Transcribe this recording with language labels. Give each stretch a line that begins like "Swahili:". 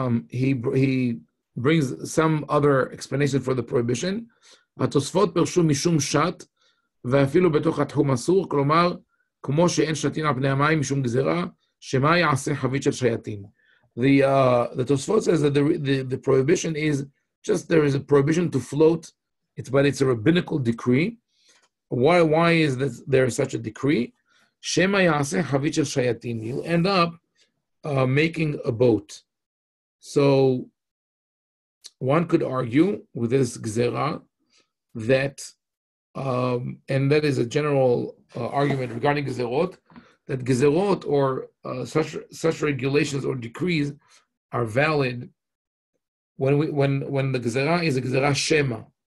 English: He brings some other explanation for the prohibition.
Hebrew: התוספות פרשו משום שט, ואפילו בתוך התחום אסור, כלומר, כמו שאין שטין על פני המים משום גזירה, שמה יעשה חבית של שייטים.
English: The Tosfot says that the prohibition is just, there is a prohibition to float, but it's a rabbinical decree. Why is this, there is such a decree?
Hebrew: שמה יעשה חבית של שייטים.
English: You end up making a boat. So one could argue with this gzera that, and that is a general argument regarding gezerot, that gezerot or such regulations or decrees are valid when the gezera is a gezera shema.